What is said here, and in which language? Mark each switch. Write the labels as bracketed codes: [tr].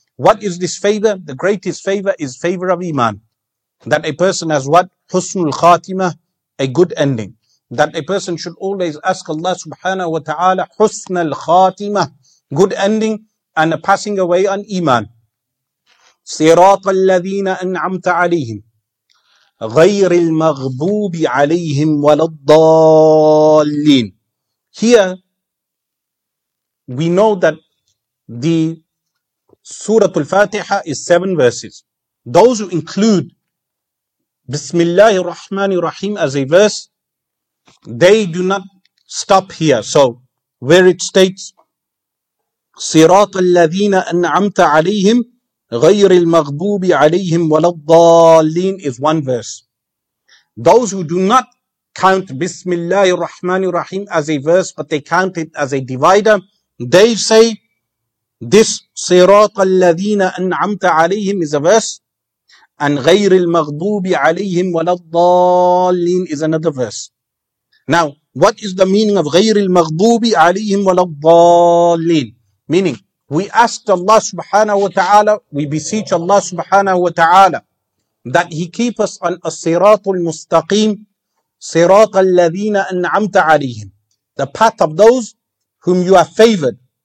[en] What is this favor? The greatest favor is favor of iman, that a person has what? Husnul khatimah, a good ending, that a person should always ask Allah subhanahu wa ta'ala husnul khatimah, good ending, and a passing away on iman. [ar] صراط الذين أنعمت عليهم غير المغضوب عليهم ولا الضالين. [en] Here we know that the Surah Al-Fatiha is 7 verses. Those who include Bismillah ar-Rahman ar-Rahim as a verse, they do not stop here. So where it states [ar] صراط الذين أنعمت عليهم غير المغضوب عليهم ولا الضالين [en] is one verse. Those who do not count Bismillah ar-Rahman ar-Rahim as a verse, but they count it as a divider, they say this [ar] صراط الذين أنعمت عليهم [en] is a verse, and [ar] غير المغضوب عليهم ولا الضالين [en] is another verse. Now, what is the meaning of [ar] غير المغضوب عليهم ولا الضالين? [en] Meaning, we ask Allah subhanahu wa ta'ala, we beseech Allah subhanahu wa ta'ala that He keep us on as-siratul mustaqim, [ar] siratul ladhina an'amta alayhim, [en] the path of those whom you have favored.